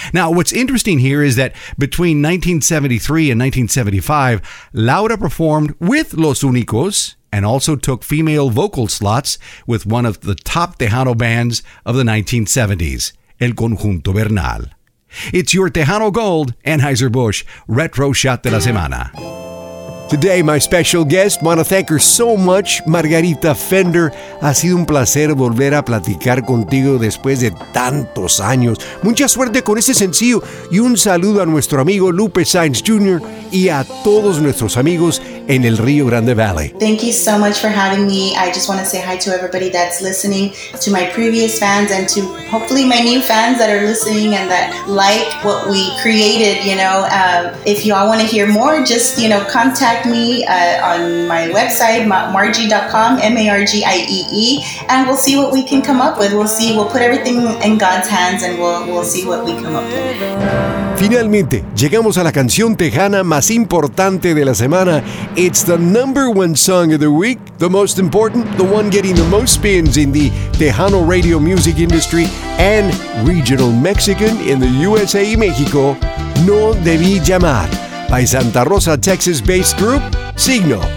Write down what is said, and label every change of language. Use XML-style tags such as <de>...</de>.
<en>Now, what's interesting here is that between 1973 and 1975, Laura performed with Los Únicos and also took female vocal slots with one of the top Tejano bands of the 1970s, El Conjunto Bernal. It's your Tejano Gold, Anheuser-Busch, Retro Shot de la Semana. Today, my special guest, want to thank her so much, Margarita Fender.</en> <es>Ha sido un placer volver a platicar contigo después de tantos años. Mucha suerte con ese sencillo y un saludo a nuestro amigo Lupe Sainz Jr. y a todos nuestros amigos en el Rio Grande Valley.</es> <en>Thank you so much for having me. I just want to say hi to everybody that's listening, to my previous fans and to hopefully my new fans that are listening and that like what we created, you know. If you all want to hear more, just, you know, contact me on my website, margie.com, M-A-R-G-I-E-E, and we'll see what we can come up with. We'll see, we'll put everything in God's hands and we'll see what we come up with.</en> <es>Finalmente, llegamos a la canción tejana más importante de la semana.</es> <en>It's the number one song of the week, the most important, the one getting the most spins in the Tejano radio music industry and regional Mexican in the USA</en> <es>y México,</es> <en>No Debí Llamar, by Santa Rosa, Texas-based group, Signal.</en>